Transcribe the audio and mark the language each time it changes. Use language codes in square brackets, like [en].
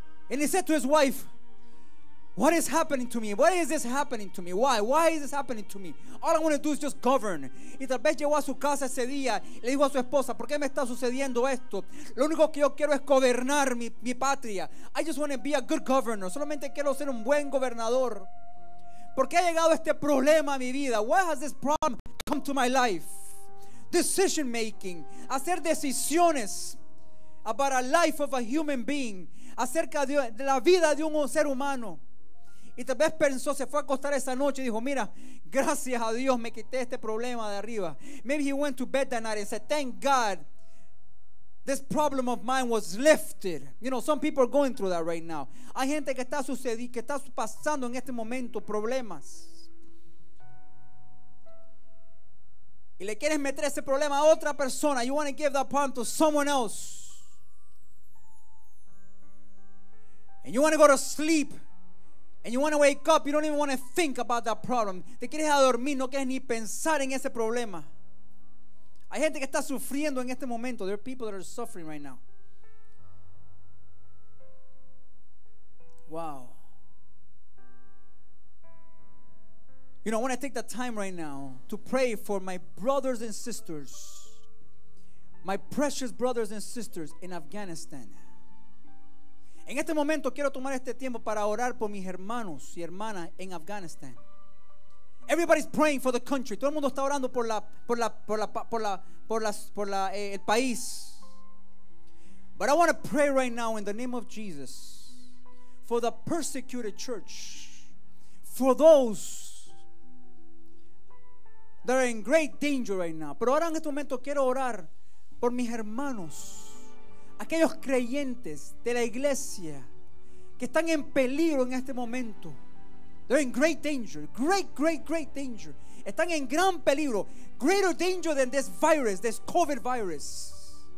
[en] And he said to his wife, what is happening to me? Why is this happening to me? Why? Why is this happening to me? All I want to do is just govern. [es] Y tal vez llegó a su casa ese día y le dijo a su esposa, ¿por qué me está sucediendo esto? Lo único que yo quiero es gobernar mi patria. [en] I just want to be a good governor. [es] Solamente quiero ser un buen gobernador. ¿Por qué ha llegado este problema a mi vida? [en] Why has this problem come to my life? Decision making. [es] Hacer decisiones [en] about a life of a human being. [es] Acerca de la vida de un ser humano. Y tal vez pensó, se fue a acostar esa noche y dijo, mira, gracias a Dios me quité este problema de arriba. [en] Maybe he went to bed that night and said, thank God this problem of mine was lifted. You know, some people are going through that right now. [es] Hay gente que está sucediendo, que está pasando en este momento problemas. Y le quieres meter ese problema a otra persona. [en] You want to give that problem to someone else. And you want to go to sleep. And you want to wake up. You don't even want to think about that problem. [es] Te quieres a dormir. No quieres ni pensar en ese problema. Hay gente que está sufriendo en este momento. [en] There are people that are suffering right now. Wow. You know, I want to take the time right now to pray for my brothers and sisters. My precious brothers and sisters in Afghanistan. [es] En este momento quiero tomar este tiempo para orar por mis hermanos y hermanas en Afganistán. [en] Everybody's praying for the country. [es] Todo el mundo está orando por el país. [en] But I want to pray right now in the name of Jesus for the persecuted church, for those that are in great danger right now. [es] Pero ahora en este momento quiero orar por mis hermanos, aquellos creyentes de la iglesia que están en peligro en este momento. [en] They're in great danger. Great, great, great danger. [es] Están en gran peligro. [en] Greater danger than this virus, this COVID virus.